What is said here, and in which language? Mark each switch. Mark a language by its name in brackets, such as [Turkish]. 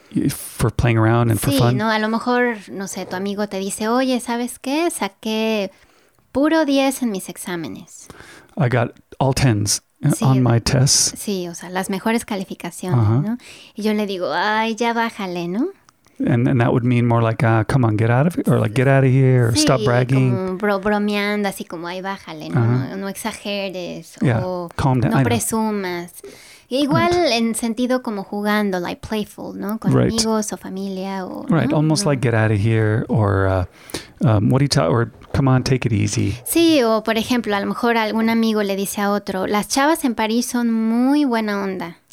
[English] For playing around and [Spanish] sí, [English] for fun? [Spanish] Sí, no, a lo mejor, no sé, tu amigo te dice, oye, ¿sabes qué? Saqué puro 10 en mis exámenes. [English] I got all 10s. [Spanish] Sí, [English] on my tests. [Spanish] Sí, o sea, las mejores calificaciones, uh-huh. ¿no? Y yo le digo, ay, ya bájale, ¿no? [English] And that would mean more like, come on, get out of here, or like, get out of here, [Spanish] sí, [English] or stop bragging. [Spanish] Sí, como bromeando, así como, ay, bájale, ¿no? Uh-huh. No exageres, [English] yeah. [Spanish] o [English] calm down. [Spanish] No presumas. Igual right. en sentido como jugando, [English] like playful, [Spanish] ¿no? Con [English] right. [Spanish] amigos o familia. O, [English] right, [Spanish] ¿no? [English] almost [Spanish] no. [English] like get out of here, or what do you talk, or come on, take it easy. [Spanish] Sí, o por ejemplo, a lo mejor algún amigo le dice a otro, las chavas en París son muy buena onda.